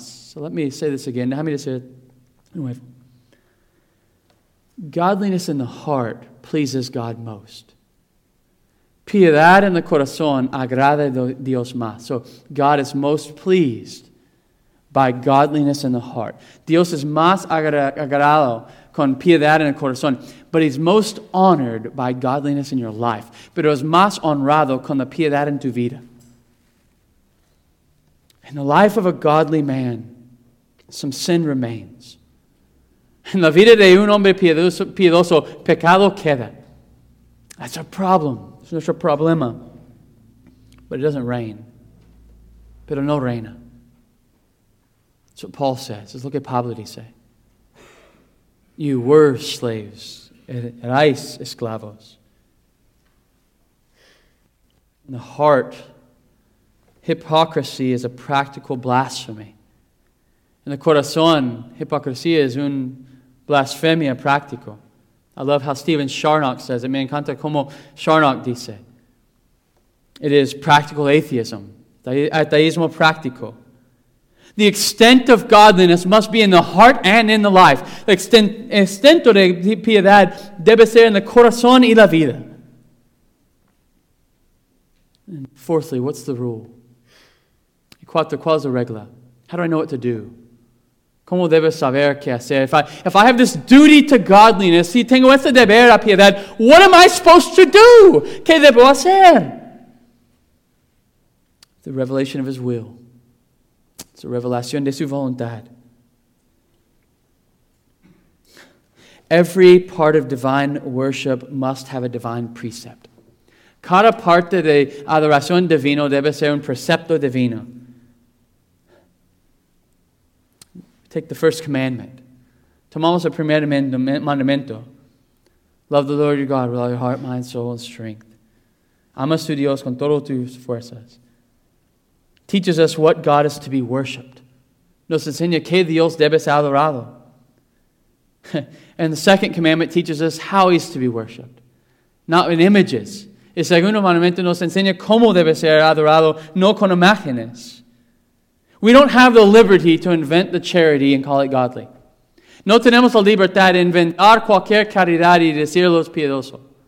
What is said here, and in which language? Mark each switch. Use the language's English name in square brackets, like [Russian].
[English] So let me say this again. [Spanish] Déjame decir [English] it. Anyway. Godliness in the heart pleases God most. [Spanish] Piedad en el corazón agrada a Dios más. [English] So God is most pleased by godliness in the heart. [Spanish] Dios es más agradado con piedad en el corazón. [English] But He's most honored by godliness in your life. [Spanish] Pero es más honrado con la piedad en tu vida. [English] In the life of a godly man, some sin remains. [Spanish] En la vida de un hombre piedoso, pecado queda. [English] That's a problem. [Spanish] Es nuestro problema. [English] But it doesn't reign. [Spanish] Pero no reina. [English] That's what Paul says. Let's look at Pablo to say. You were slaves. [Spanish] Erais esclavos. [English] In the heart, hypocrisy is a practical blasphemy. [Spanish] In the corazón, hypocrisía es un blasfemia práctico. [English] I love how Stephen Charnock says it. [Spanish] Me encanta como Charnock dice. [English] It is practical atheism. [Spanish] Ateísmo práctico. [English] The extent of godliness must be in the heart and in the life. [Spanish] The extento de piedad debe ser en el corazón y la vida. [English] And fourthly, what's the rule? [Spanish] Cuatro, ¿cuál es la regla? [English] How do I know what to do? [Spanish] ¿Cómo debes saber qué hacer? [English] If I have this duty to godliness, [Spanish] si tengo este deber a piedad, [English] what am I supposed to do? [Spanish] ¿Qué debo hacer? [English] The revelation of His will. [Spanish] It's a revelación de su voluntad. [English] Every part of divine worship must have a divine precept. [Spanish] Cada parte de adoración divino debe ser un precepto divino. [English] Take the first commandment. [Spanish] Tomamos el primer mandamiento. [English] Love the Lord your God with all your heart, mind, soul, and strength. [Spanish] Amas tu Dios con todas tus fuerzas. [English] Teaches us what God is to be worshipped. [Spanish] Nos enseña que Dios debe ser adorado. [English] And the second commandment teaches us how He's to be worshipped. Not in images. [Spanish] El segundo mandamiento nos enseña cómo debe ser adorado, no con imágenes. [English] We don't have the liberty to invent the charity and call it godly. [Spanish] No tenemos la libertad de inventar cualquier caridad y decirlo es piedoso.